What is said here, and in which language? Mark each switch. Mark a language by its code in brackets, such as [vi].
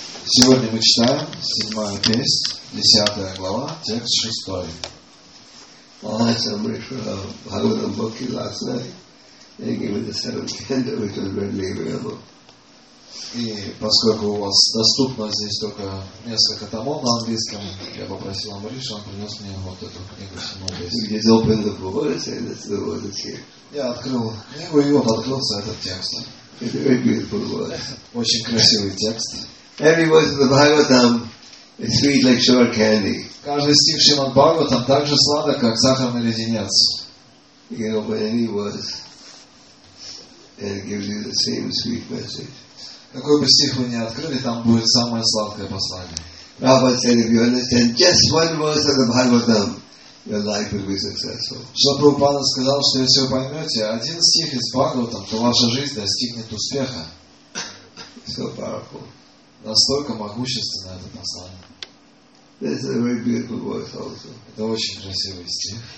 [ru] Сегодня мы читаем седьмая песня, десятая глава, текст шестой. [en] I saw Bhagavatam book last night, and gave the seventh canto, which was readily available. [ru] И поскольку у вас доступно здесь только несколько томов на английском, я попросил Амриша, он принес мне вот эту книгу седьмой. Я открыл книгу, и вот открылся этот текст. [en] It's a very beautiful verse. [ru] Очень красивый текст. [en] Every verse of the Bhagavatam is sweet like sugar candy. [ru] Каждый стих Шримад Бхагаватам так же сладок, как сахарный леденец. [en] You can open any verse and it gives you the same sweet message. [ru] Какой бы стих вы ни открыли, там будет самое сладкое послание. [en] Prabhupada said, if you understand just one verse of the Bhagavatam, your life will be successful. [ru] Шапрабхупада сказал, что если вы поймете один стих из Бхагаватам, то ваша жизнь достигнет успеха. [en] So powerful. [ru] Настолько могущественно это послание. [en] This is a very beautiful verse also. [ru] Это очень красивый стих.